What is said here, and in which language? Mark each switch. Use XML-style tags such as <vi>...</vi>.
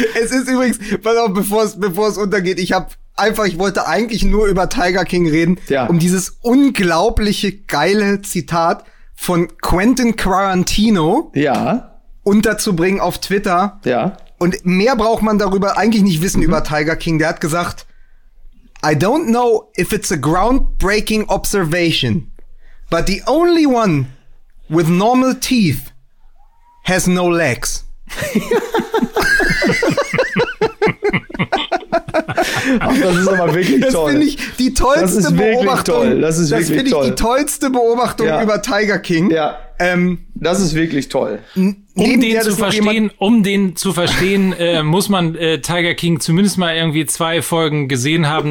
<de>Es ist übrigens, pass auf, bevor es untergeht, ich wollte eigentlich nur über Tiger King reden, ja, um dieses unglaubliche geile Zitat von Quentin Tarantino, ja, unterzubringen auf Twitter. Ja. Und mehr braucht man darüber eigentlich nicht wissen, mhm, über Tiger King. Der hat gesagt,</de> <en>I don't know if it's a groundbreaking observation, but the only one with normal teeth has no legs.</en> <de>Ach, das ist aber wirklich toll. Das finde ich die tollste Beobachtung. Das ist wirklich toll. Das finde ich die tollste Beobachtung über Tiger King. Ja. Das ist wirklich toll. Um den zu verstehen, muss man Tiger King zumindest mal irgendwie 2 Folgen gesehen haben.</de>